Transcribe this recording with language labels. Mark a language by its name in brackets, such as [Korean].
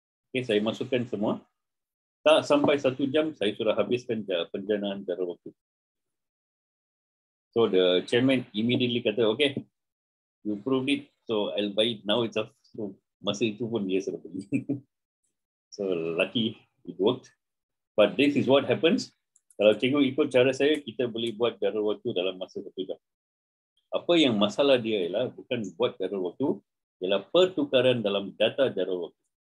[Malay] Okay, saya masukkan semua. Tak sampai satu jam, saya sudah habiskan penjanaan jara waktu. [English] So the chairman immediately [Malay] kata, [English] okay, you proved it, so I'll buy it now itself. [Malay] So masa itu pun dia sudah beli. [English] So lucky it worked. But this is what happens. [Malay] Kalau tengok ikut cara saya, kita boleh buat jara waktu dalam masa satu jam. Apa yang masalah dia ialah bukan buat jadual waktu, ialah pertukaran dalam data jadual waktu.